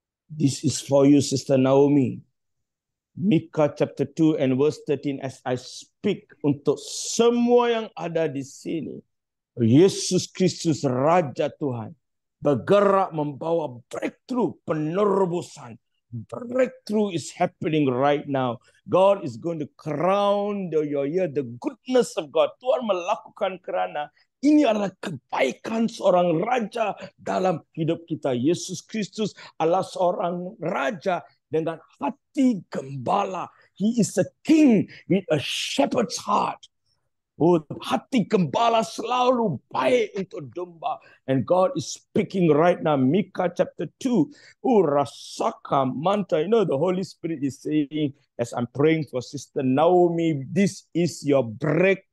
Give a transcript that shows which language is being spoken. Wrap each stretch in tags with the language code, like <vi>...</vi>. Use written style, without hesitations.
<en>This is for you, Sister Naomi. Micah chapter 2 and verse 13, as I speak</en> <id>untuk semua yang ada di sini, Yesus Kristus Raja Tuhan bergerak membawa breakthrough, penerobosan.</id> <en>Breakthrough is happening right now. God is going to crown your ear, the goodness of God.</en> <id>Tuhan melakukan kerana ini adalah kebaikan seorang raja dalam hidup kita. Yesus Kristus adalah seorang raja dengan hati gembala.</id> <en>He is a king with a shepherd's heart.</en> <id>Oh, hati gembala selalu baik untuk domba.</id> <en>And God is speaking right now, Micah chapter 2. Oh, rasaka manta. You know, the Holy Spirit is saying, as I'm praying for Sister Naomi, this is your break.</en>